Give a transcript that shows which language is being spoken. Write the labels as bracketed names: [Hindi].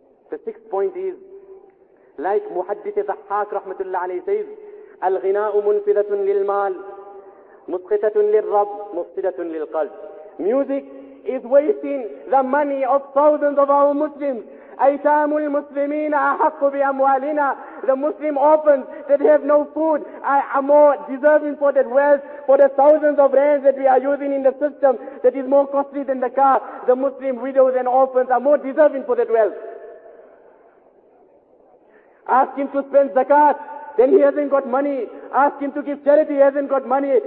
[English] The sixth point is, like Muhaddith Dhahhak rahmatullah alayhi says, [Arabic] الغناء منفذة للمال مسقطة للرب مفسدة للقلب. [English] Music is wasting the money of thousands of our Muslims. [Arabic] أيتام المسلمين أحق بأموالنا. [English] The Muslim orphans that have no food are more deserving for that wealth, for the thousands of rands that we are using in the system that is more costly than the car. The Muslim widows and orphans are more deserving for that wealth. Ask him to spend zakat, then he hasn't got money. Ask him to give charity, he hasn't got money.